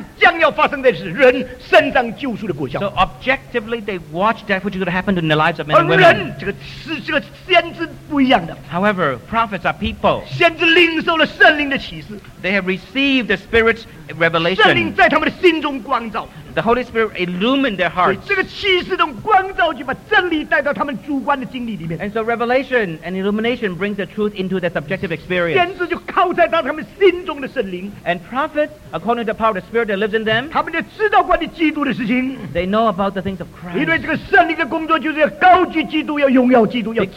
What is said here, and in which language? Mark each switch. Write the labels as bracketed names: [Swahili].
[English] So objectively, they watch that which is going to happen in the lives of men and women. [Chinese] 这个是个先知不一样的。 [English] However, prophets are people. [Chinese] 先知领受了圣灵的启示。 [English] They have received the Spirit's revelation. [Chinese] 圣灵在他们的心中光照。 [English] The Holy Spirit illumined their hearts. And so revelation and illumination brings the truth into their subjective experience. And prophets, according to the power of the Spirit that lives in them, they know about the things of Christ.